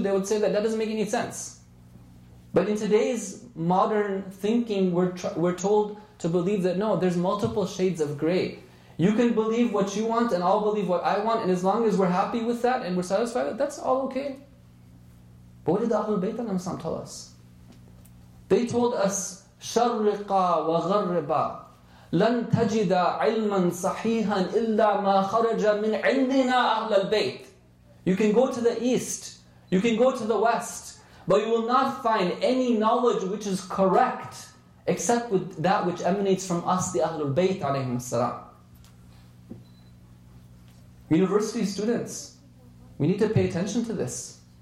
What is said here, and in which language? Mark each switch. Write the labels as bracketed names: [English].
[English] They would say that doesn't make any sense. But in today's modern thinking, we're told to believe that no, there's multiple shades of gray. You can believe what you want and I'll believe what I want, and as long as we're happy with that and we're satisfied with that, that's all okay. But what did the Ahlul Bayt al-Islam tell us? They told us, [Arabic] شَرِّقَ وَغَرِّبَ لَن تَجِدَ عِلْمًا صَحِيحًا إِلَّا مَا خَرَجَ مِنْ عِنْدِنَا أَهْلَ الْبَيْتِ. [English] You can go to the east, you can go to the west, but you will not find any knowledge which is correct except with that which emanates from us, the Ahlul Bayt alayhim as-salam. University students, we need to pay attention to this.